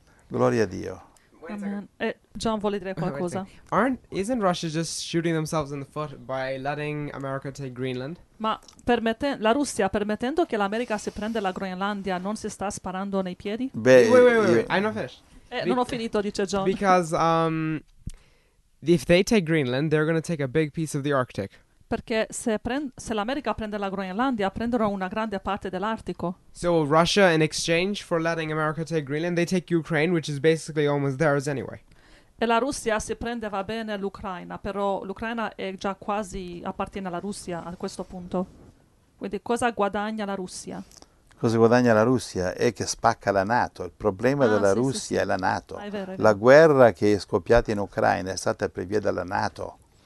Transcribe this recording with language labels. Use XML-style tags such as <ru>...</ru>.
<it>Gloria a Dio. John vuole dire qualcosa.</it> <en>Isn't Russia just shooting themselves in the foot by letting America take Greenland?</en> <it>Ma la Russia, permettendo che l'America si prenda la Groenlandia, non si sta sparando nei piedi?</it> <en>Wait, I'm not finished.</en> <it>Non ho finito, dice John.</it> <en>Because if they take Greenland, they're going to take a big piece of the Arctic.</en> <it>Perché se l'America prende la Groenlandia, prenderò una grande parte dell'Artico.</it> <en>So Russia, in exchange for letting America take Greenland, they take Ukraine, which is basically almost theirs anyway.</en> <it>E la Russia si prende, va bene, l'Ucraina, però l'Ucraina è già quasi, appartiene alla Russia a questo punto. Quindi cosa guadagna la Russia? Cosa guadagna la Russia? È che spacca la NATO. Il problema della Russia è la NATO. È vero, è vero. La guerra che è scoppiata in Ucraina è stata per via della NATO.</it>